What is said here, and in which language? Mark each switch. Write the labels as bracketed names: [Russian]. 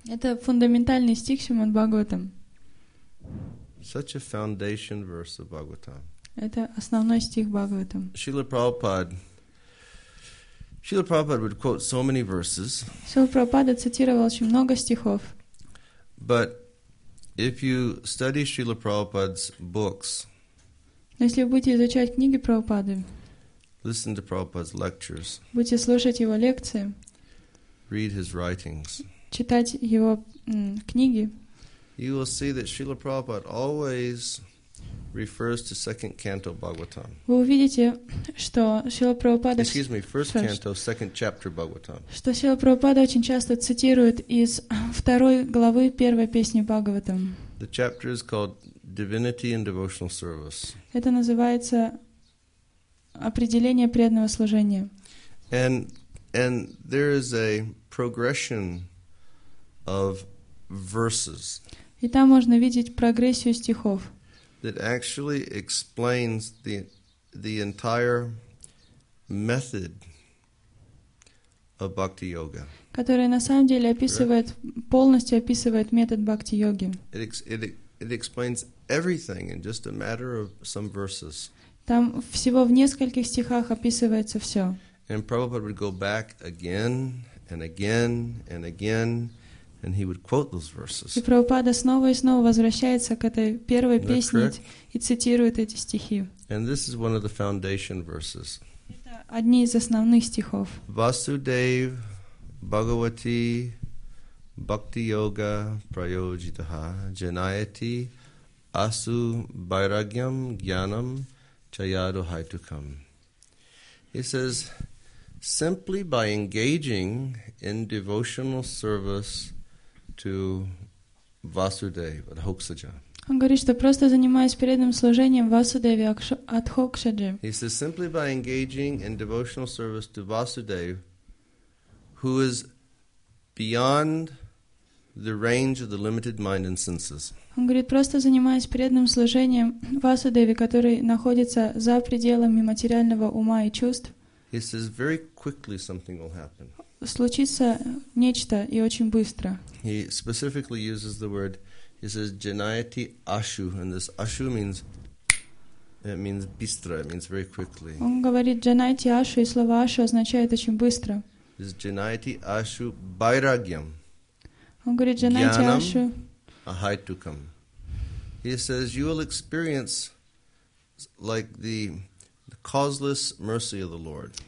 [Russian] Это фундаментальный стих Шримад Бхагаватам. [English] Such a foundation verse of Bhagavatam. [Russian] Это основной стих Бхагаватам. [English] Srila Prabhupada would quote so many verses. [Russian] Шрила Прабхупада цитировал очень много стихов. [English] But if you study Srila Prabhupada's books, [Russian] но если вы будете изучать книги Прабхупады, [English] listen to Prabhupada's lectures, [Russian] будете слушать его лекции, [English] read his writings, [Russian] читать его книги, [English] you will see that Srila Prabhupada always refers to second canto Bhagavatam. [Russian] Вы увидите, что Шрила Прабхупада, [English] excuse me, first canto, second chapter Bhagavatam. [Russian] Что Шрила Прабхупада очень часто цитирует из второй главы первой песни Бхагаватам. [English] The chapter is called Divinity and Devotional Service. [Russian] Это называется определение преданного служения. [English] And there is a progression of verses. [Russian] И там можно видеть прогрессию стихов. [English] That actually explains the entire method of bhakti yoga. [Russian] Которая на самом деле описывает, [English] correct? [Russian] Полностью описывает метод бхакти йоги. [English] It explains everything in just a matter of some verses. [Russian] Там всего в нескольких стихах описывается все. [English] And Prabhupada would go back again and again and again, and he would quote those verses. [Russian] И Прабхупада снова и снова возвращается к этой первой песне и цитирует эти стихи. [English] And this is one of the foundation verses. [Russian] Это одни из основных стихов. [Sanskrit] Vasudev Bhagavati Bhakti Yoga Prayojitaha Janayati Asu Bairagyam Gyanam Chayaduhai Tukam. [English] He says, simply by engaging in devotional service to Vasudeva, Adhokshaja. [Russian] Он говорит, что просто занимаясь преданным служением Васудеве, Адхокшаджи. [English] He says, simply by engaging in devotional service to Vasudeva, who is beyond the range of the limited mind and senses. [Russian] Он говорит, просто занимаясь преданным служением Васудеве, который находится за пределами материального ума и чувств. [English] He says, very quickly something will happen. [Russian] Случится нечто и очень быстро. [English] He specifically uses the word. He says, [Sanskrit] "Janayati ashu," [English] and this ashu means it means [Russian] bistra. [English] It means very quickly. [Russian] Он говорит [Sanskrit] "Janayati ashu," [Russian] и слово ashu означает очень быстро. [English] Is [Sanskrit] "Janayati ashu" [English] bairagyam? [Russian] Он говорит [Sanskrit] "Janayati ashu." Ahaitukam. [English] He says you will experience like the causeless mercy of the Lord.